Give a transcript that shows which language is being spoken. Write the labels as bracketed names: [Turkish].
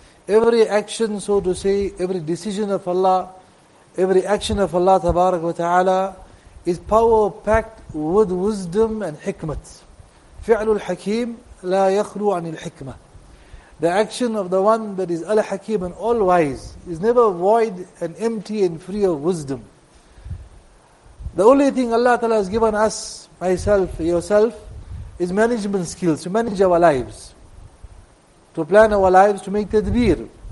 [English] Every action, so to say, every decision of Allah, every action of Allah tabarak wa ta'ala is power packed with wisdom and hikmat. [Arabic] فعل الحكيم لا يخلو عن الحكمة. [English] The action of the one that is Al-Hakim and All-Wise is never void and empty and free of wisdom. The only thing Allah Ta'ala has given us, myself, yourself, is management skills to manage our lives, to plan our lives, to make tadbir.